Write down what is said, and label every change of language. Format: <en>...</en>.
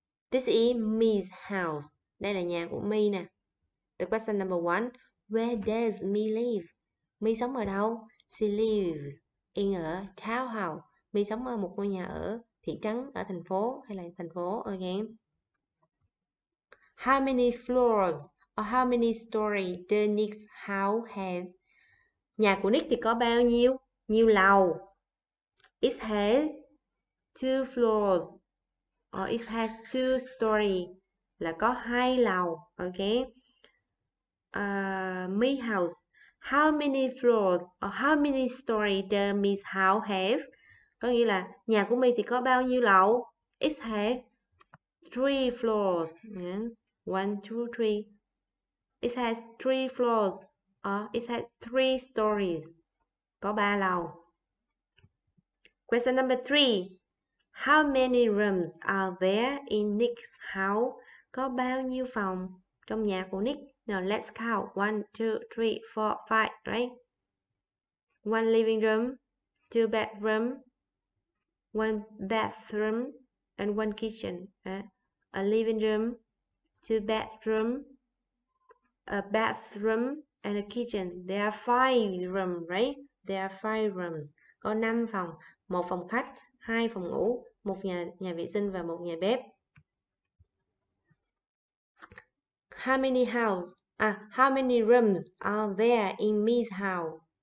<en>This is Mi's house.</en> <vi>Đây là nhà của Mi nè.</vi> <en>The question number one. Where does Mi live?</en> <vi>Mi sống ở đâu?</vi> <en>She lives in a townhouse.</en> <vi>Mi sống ở một ngôi nhà ở thị trấn, ở thành phố hay là thành phố.</vi> <en>Okay. How many floors or how many stories does Nick's house have?</en> <vi>Nhà của Nick thì có bao nhiêu? Nhiều lầu.</vi> <en>It has two floors. Or it has two story</en> <vi>là có hai lầu,</vi> <en>okay? My house How many floors or how many stories does Miss House have?</en> <vi>Có nghĩa là nhà của mình thì có bao nhiêu lầu?</vi> <en>It has three floors. One, two, three. It has three floors or it has three stories.</en> <vi>Có ba lầu.</vi> <en>Question number three. How many rooms are there in Nick's house?</en> <vi>Có bao nhiêu phòng trong nhà của Nick?</vi> <en>Now let's count. One, two, three, four, five, right? One living room, two bedroom, one bathroom, and one kitchen. A living room, two bedroom, a bathroom, and a kitchen. There are five rooms, right? There are five rooms.</en> <vi>Có 5 phòng, 1 phòng khách, 2 phòng ngủ, 1 nhà vệ sinh và 1 nhà bếp.</vi> <en>How many house? How many rooms are there in Miss House?</en>